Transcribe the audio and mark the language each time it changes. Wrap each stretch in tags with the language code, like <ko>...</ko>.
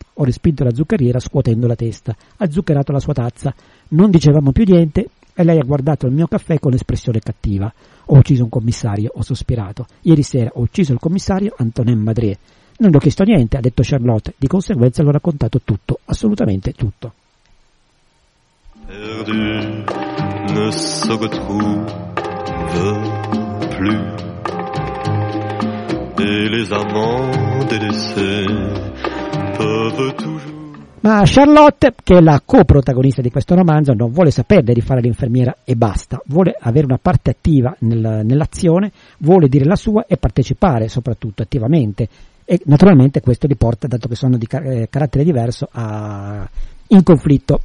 <it>Ho respinto la zuccheriera scuotendo la testa, ha zuccherato la sua tazza, non dicevamo più niente e lei ha guardato il mio caffè con espressione cattiva. Ho ucciso un commissario, ho sospirato. Ieri sera ho ucciso il commissario Antonin Madrier. Non gli ho chiesto niente, ha detto Charlotte. Di conseguenza l'ho raccontato tutto, assolutamente tutto.</it> <fr>Perdu, ne se retrouve plus. Et les amants délaissés peuvent toujours.</fr> <it>Ma Charlotte, che è la coprotagonista di questo romanzo, non vuole saperne di fare l'infermiera e basta. Vuole avere una parte attiva nell'azione, vuole dire la sua e partecipare soprattutto attivamente. E naturalmente questo li porta, dato che sono di carattere diverso, in conflitto.</it>